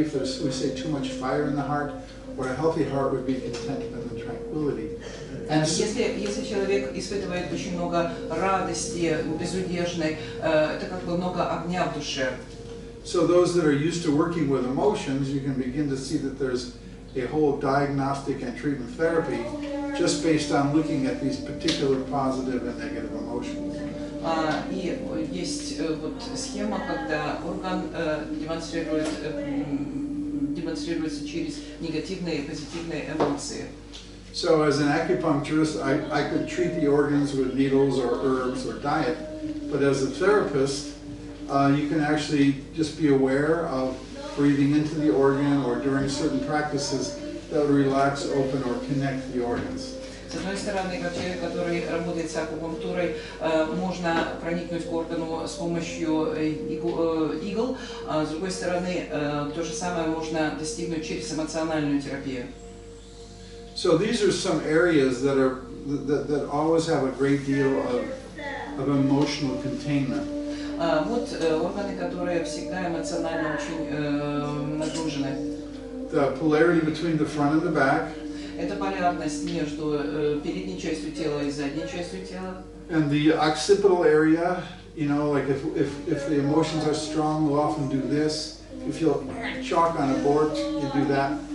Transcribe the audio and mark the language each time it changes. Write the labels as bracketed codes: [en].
[en] If there's, we say, too much fire in the heart, or a healthy heart would be contentment and tranquility. And [ru] если человек испытывает очень много радости, безудержной, это как бы много огня в душе. [en] So those that are used to working with emotions, you can begin to see that there's a whole diagnostic and treatment therapy just based on looking at these particular positive and negative emotions. [ru] И есть вот схема, когда орган демонстрируется через негативные и позитивные эмоции. [en] So as an acupuncturist, I could treat the organs with needles or herbs or diet, but as a therapist, you can actually just be aware of breathing into the organ or during certain practices that will relax, open, or connect the organs. [ru] С одной стороны, как человек, который работает с акупунктурой, можно проникнуть к органу с помощью игл. С другой стороны, то же самое можно достигнуть через эмоциональную терапию. [en] So these are some areas that are that always have a great deal of emotional containment. [ru] Вот органы, которые всегда эмоционально очень нагружены. [en] The polarity between the front and the back. [ru] Это полярность между передней частью тела и задней частью тела. [en] And the occipital area, you know, like if the emotions are strong, we'll often do this. If you feel chalk on a board, you do that.